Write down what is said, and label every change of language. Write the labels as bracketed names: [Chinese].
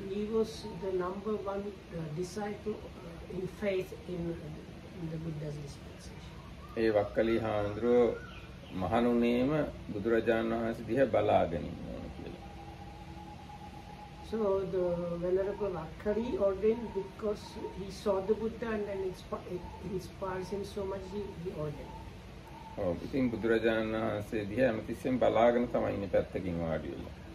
[English] He was the number one disciple in faith in the Buddha's dispensation. [Sinhala] ඒ වක්කලි හාමුදුරුව මහණුනේම බුදුරජාණන් වහන්සේ දිහා බලාගෙන [English] So the Venerable Vakkali ordained because he saw the Buddha and then it inspires him so much he ordained. [Sinhala] Oh, ඉතින් බුදුරජාණන් වහන්සේ දිහා හැමතිස්සෙම බලාගෙන තමයි ඉන්නේ පැත්තකින් වාඩි වෙලා.